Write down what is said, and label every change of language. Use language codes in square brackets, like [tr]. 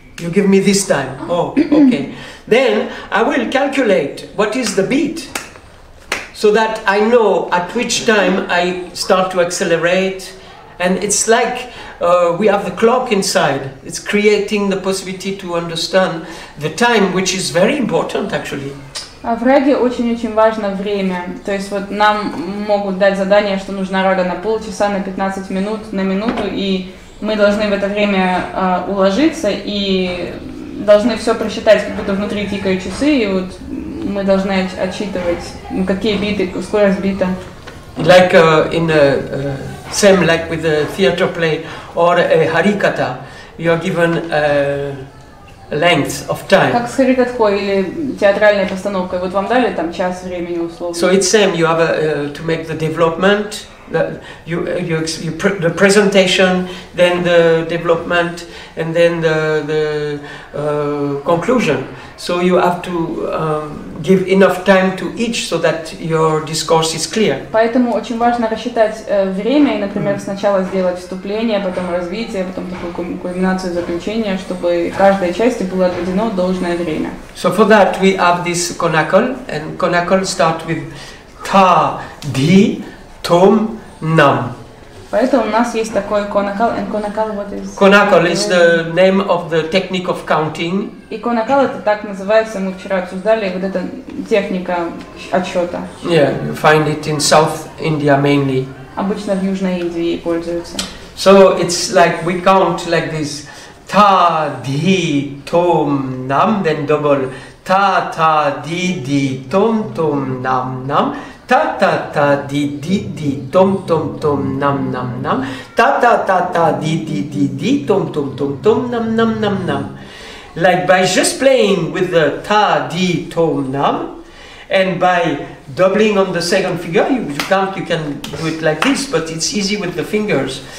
[en] You give me this time. Oh, okay. Then I will calculate what is the beat, so that I know at which time I start to accelerate. And it's like we have the clock inside. It's creating the possibility to understand the time, which is very important, actually. [ru] В раге очень-очень важно время. То есть вот нам могут дать задание, что нужна рага на полчаса, на 15 минут, на минуту, и мы должны в это время уложиться и должны все просчитать, как будто внутри тикают часы, и вот мы должны отсчитывать, какие биты, скорость бита. [en] Like in the same like with a theater play or a harikata, you are given length of time. [ru] Как с харикатхой или театральной постановкой, вот вам дали там час времени условно. [en] So it's same, you have to make the development, the presentation, then the development, and then the conclusion. So you have to give enough time to each so that your discourse is clear. [ru] Поэтому очень важно рассчитать время и, например, сначала сделать вступление, потом развитие, потом такую кульминацию, заключение, чтобы каждой части было отведено должное время. [en] So for that we have this konakol, and konakol start with tha, di, tom, nam. [ru] Поэтому у нас есть такой konakol, [en] and konakol what is? Konakol is the name of the technique of counting. [ru] И konakol это так называется, мы вчера обсуждали, вот эта техника отсчета. [en] Yeah, you find it in South India mainly. [ru] Обычно в Южной Индии пользуются. [en] So it's like we count like this: ta, di, tom, nam, then double ta, ta, di, di, tom, tom, nam, nam. Ta ta ta di di di tom tom tom nam nam nam ta ta ta ta di di di di tom tom tom tom nam nam nam nam. Like by just playing with the ta di tom nam, and by doubling on the second finger, you count, you can do it like this, but it's easy with the fingers.